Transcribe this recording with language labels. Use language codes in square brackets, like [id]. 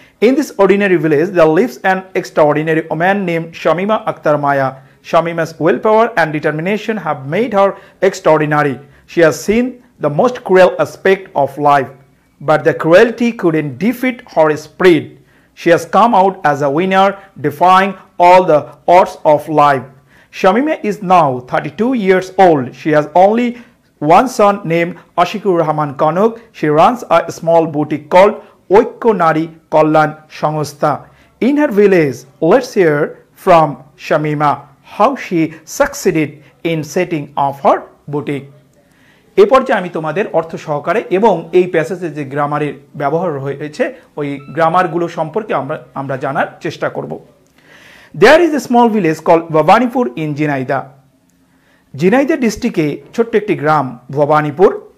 [en] In this ordinary village the lives an extraordinary woman name Shamima Akter Maya. Shamima's will power and determination have made her extraordinary. She has seen the most cruel aspect of life, but the cruelty couldn't defeat her spirit. She has come out as a winner, defying all the odds of life. Shamima is now 32 years old. She has only one son named Ashikur Rahman Kanuk. She runs a small boutique called Oikko Nari Kollan Sangostha. In her village, let's hear from Shamima how she succeeded in setting up her boutique. [bn] এ পর্যায়ে আমি তোমাদের অর্থ সহকারে এবং এই প্যাসেজে যে গ্রামারের ব্যবহার রয়েছে ওই গ্রামারগুলো সম্পর্কে আমরা জানার চেষ্টা করব। [en] There is a small village call Bhabanipur in Jhenaidah. [bn] Jhenaidah ডিস্ট্রিক্টে ছোট্ট একটি গ্রাম ভবানীপুর।